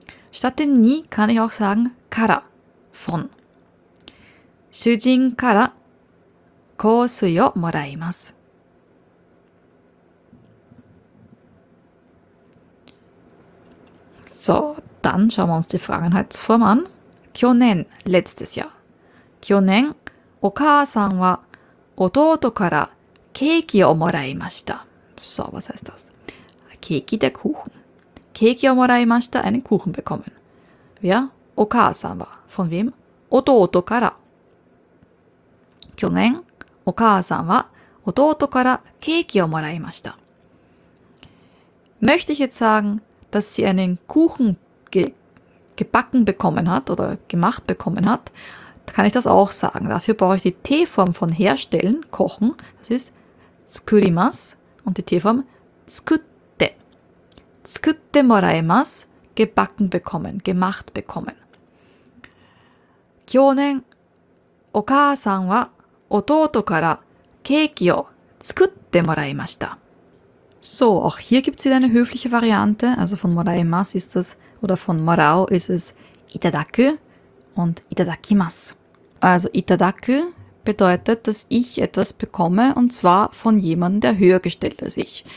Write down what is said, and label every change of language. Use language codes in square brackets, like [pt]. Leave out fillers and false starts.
[de] Statt dem nie kann ich auch sagen から von [ja] 主人から香水をもらいます。 [de] So, dann schauen wir uns die Vergangenheitsform an. 去年 letztes Jahr. [ja] 去年お母さんは弟からケーキをもらいました。 [de] So, was heißt das? ケーキ der Kuchen. [ja] ケーキをもらいました。 [de] einen Kuchen bekommen. Wer? [ja] お母さんは。 [de] von wem? [ja] 弟から。去年お母さんは弟からケーキをもらいました。 [de] Möchte ich jetzt sagen, dass sie einen Kuchen gebacken bekommen hat oder gemacht bekommen hat, kann ich das auch sagen. Dafür brauche ich die T-Form von herstellen, kochen. Das ist 作ります und die T-Form [ja] 作って作ってもらいます [de] gebacken bekommen, gemacht bekommen. [ja] 去年お母さんは弟からケーキを作ってもらいました。 [de] So, auch hier gibt es wieder eine höfliche Variante. Also von moraimas ist es, oder von morao ist es itadaku und itadakimas. Also itadaku bedeutet, dass ich etwas bekomme und zwar von jemandem, der höher gestellt als ich.